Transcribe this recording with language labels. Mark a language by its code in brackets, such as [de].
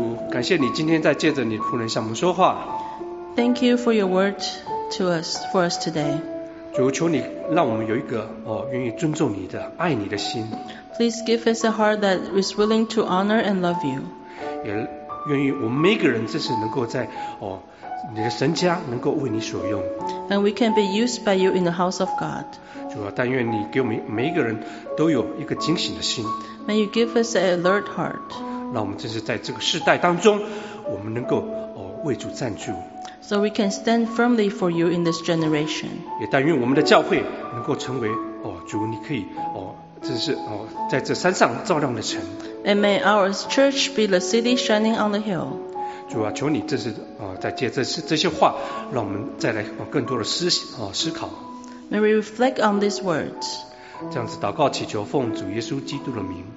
[zh] 感谢你今天在借着你的仆人向我们说话。 [en] Thank you for your word to us for us today. [zh] 主求你让我们有一个愿意尊重你的爱你的心。 [en] Please give us a heart that is willing to honor and love you. [zh] 也愿意我们每个人这次能够在你的神家能够为你所用。 [en] And we can be used by you in the house of God. [zh] 主啊，但愿你给我们每一个人都有一个警醒的心。 [en] May you give us an alert heart. [zh] 让我们真是在这个世代当中，我们能够为主站住。 [en] So we can stand firmly for you in this generation. [zh] 也但愿我们的教会能够成为主你可以真是在这山上照亮的城。 [en] And may our church be the city shining on the hill. [zh] 主啊，求你真是再借这些话，让我们再来更多的思考。 [en] May we reflect on these words. [zh] 这样子祷告祈求，奉主耶稣基督的名。